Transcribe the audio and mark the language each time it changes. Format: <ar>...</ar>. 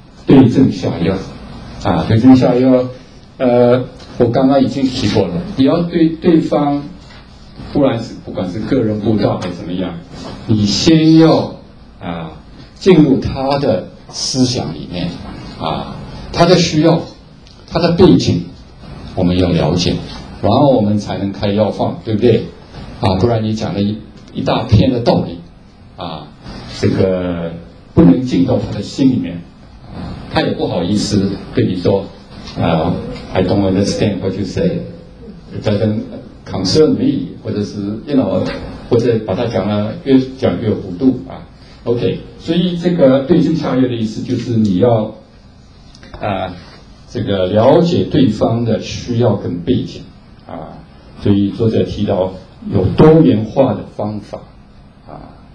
<zh>对症下药啊，对症下药，我刚刚已经提过了，你要对对方，不然是不管是个人布道还是怎么样，你先要啊进入他的思想里面啊，他的需要，他的背景，我们要了解，然后我们才能开药方，对不对？啊，不然你讲了一大片的道理啊，这个不能进到他的心里面，他也不好意思跟你说。</zh> <en>I don't understand what you say. It doesn't concern me.</en> <zh>或者是</zh> <en>you know,</en> <zh>或者把它讲了越讲越糊涂啊。 OK, 所以这个对症下药的意思就是你要这个了解对方的需要跟背景啊。所以作者提到有多元化的方法啊。</zh>